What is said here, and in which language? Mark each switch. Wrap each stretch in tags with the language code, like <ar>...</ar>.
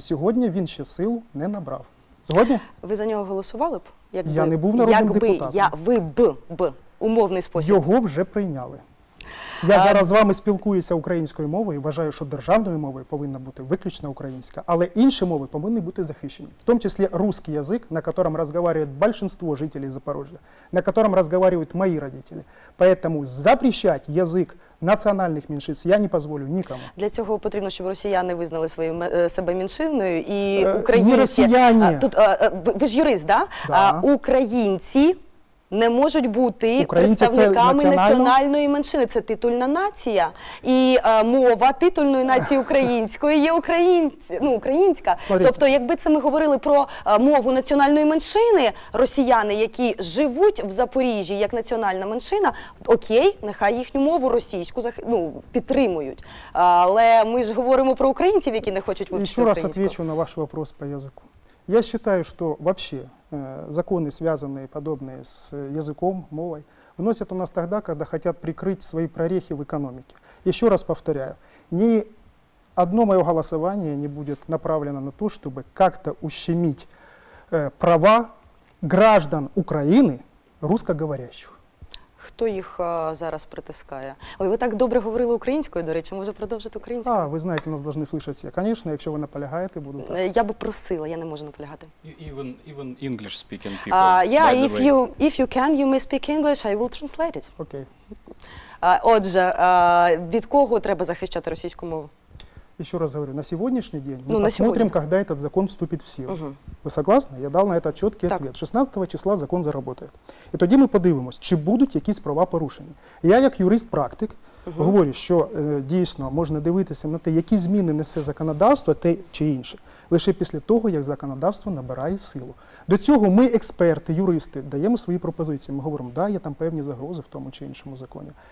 <uk>Сьогодні він ще силу не набрав. Згодні? Ви за нього голосували б? Якби, я не був народним якби депутатом. Ви б умовний спосіб. Його вже прийняли. Я зараз з вами спілкуюся українською мовою, вважаю, що державною мовою повинна бути виключно українська, але інші мови повинні бути захищені. В тому числі</uk> <ru>русский язик, на котором разговаривает большинство жителей Запорожья, на котором разговаривают мои родители. Поэтому запрещать язык</ru> <uk>національних меншинств я не дозволю нікому. Для цього потрібно, щоб росіяни визнали себе меншиною і українці. Не росіяни. Ви ж юрист, да? Да. Українці не можуть бути українці представниками національної меншини. Це титульна нація. І мова титульної нації української є українська.</uk> <ru>Смотрите.</ru> <uk>Тобто, якби це ми говорили про мову національної меншини, росіяни, які живуть в Запоріжжі як національна меншина, окей, нехай їхню мову російську підтримують. Але ми ж говоримо про українців, які не хочуть вивчити українську. Ще раз відповім на ваш</uk> <ru>вопрос по язику. Я считаю, что вообще законы, связанные подобные с языком, мовой, вносят у нас тогда, когда хотят прикрыть свои прорехи в экономике. Еще раз повторяю, ни одно мое голосование не будет направлено на то, чтобы как-то ущемить права граждан Украины, русскоговорящих.</ru> <uk>Хто їх зараз притискає? Ой, ви так добре говорили українською, до речі, може продовжити українською? А, ви знаєте, нас повинні слухати всі. Звісно, якщо ви наполягаєте, буду так. Я би просила, я не можу наполягати.</uk> <en>Even English speaking people, yeah, by if the way. You, if you can, you may speak English, I will translate it.</en> <uk>Окей.</uk> <en>Okay.</en> <uk>Отже, від кого треба захищати російську мову?</uk> <ru>Еще раз говорю, на сегодняшний день мы посмотрим, когда этот закон вступит в силу. Угу. Вы согласны? Я дал на это четкий</ru> <uk>так.</uk> <ru>ответ. 16 числа закон заработает. И тогда мы</ru> <uk>подивимось, чи будуть якісь права порушені. Я, як юрист-практик, угу. говорю, що дійсно можна дивитися на те, які зміни несе законодавство, те чи інше, лише після того, як законодавство набирає силу. До цього ми, експерти, юристи, даємо свої пропозиції. Ми говоримо, да, є там певні загрози в тому чи іншому законі.</uk>